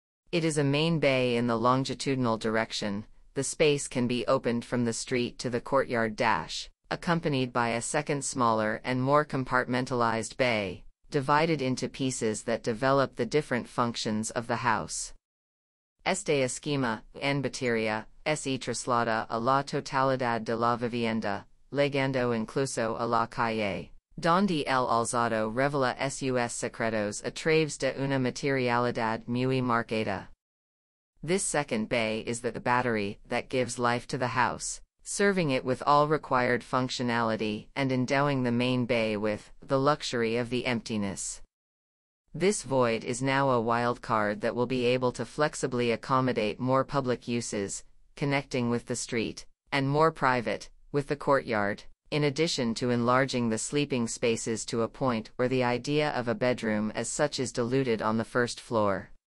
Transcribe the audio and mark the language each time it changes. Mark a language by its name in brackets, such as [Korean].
[English] It is a main bay in the longitudinal direction. The space can be opened from the street to the courtyard dash, accompanied by a second smaller and more compartmentalized bay, divided into pieces that develop the different functions of the house. [Spanish] Este esquema, en batería, se traslada a la totalidad de la vivienda, llegando incluso a la calle, donde el alzado revela sus secretos a través de una materialidad muy marcada. [English] This second bay is the battery that gives life to the house, serving it with all required functionality and endowing the main bay with the luxury of the emptiness. This void is now a wild card that will be able to flexibly accommodate more public uses, connecting with the street, and more private, with the courtyard, in addition to enlarging the sleeping spaces to a point where the idea of a bedroom as such is diluted on the first floor.